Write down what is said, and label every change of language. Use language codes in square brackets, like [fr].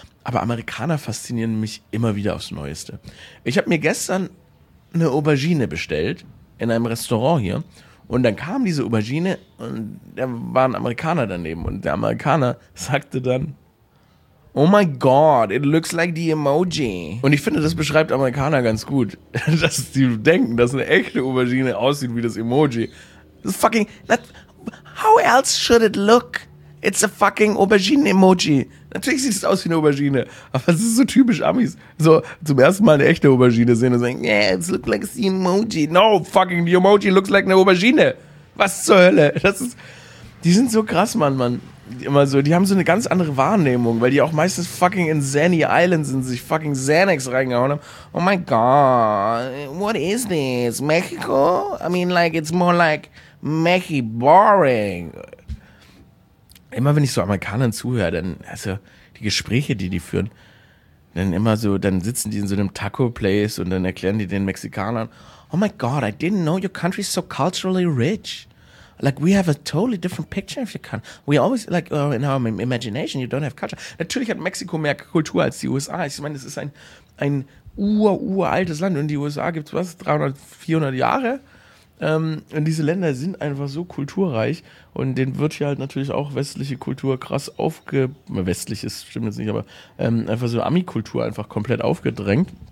[de] Aber Amerikaner faszinieren mich immer wieder aufs Neueste. Ich habe mir gestern eine Aubergine bestellt in einem Restaurant hier und dann kam diese Aubergine und da war ein Amerikaner daneben und der Amerikaner sagte dann, [en] oh my God, it looks like the emoji. [de] Und ich finde, das beschreibt Amerikaner ganz gut, dass sie denken, dass eine echte Aubergine aussieht wie das Emoji. [en] It's fucking, how else should it look? It's a fucking Aubergine-Emoji. [de] Natürlich sieht es aus wie eine Aubergine, aber es ist so typisch Amis. So zum ersten Mal eine echte Aubergine sehen und sagen, [en] yeah, it looks like the Emoji. No, fucking, the Emoji looks like [de] eine Aubergine. Was zur Hölle? Die sind so krass, Mann. Immer so, die haben so eine ganz andere Wahrnehmung, weil die auch meistens fucking in Zanny Island sind, sich fucking Xanax reingehauen haben. [en] Oh my God, what is this? Mexico? I mean, like, it's more like Mexi-boring. [de] Immer wenn ich so Amerikanern zuhöre, dann, also die Gespräche, die führen, dann immer so, dann sitzen die in so einem Taco-Place und dann erklären die den Mexikanern, [en] oh my God, I didn't know your country is so culturally rich. like we have a totally different picture if you can. We always like in our imagination you don't have culture. [de] Natürlich hat Mexiko mehr Kultur als die USA. Ich meine, es ist ein uraltes Land und die USA gibt es was 300, 400 Jahre. Und diese Länder sind einfach so kulturreich und denen wird hier halt natürlich auch westliche Kultur krass westlich ist, stimmt jetzt nicht, aber einfach so Ami-Kultur einfach komplett aufgedrängt.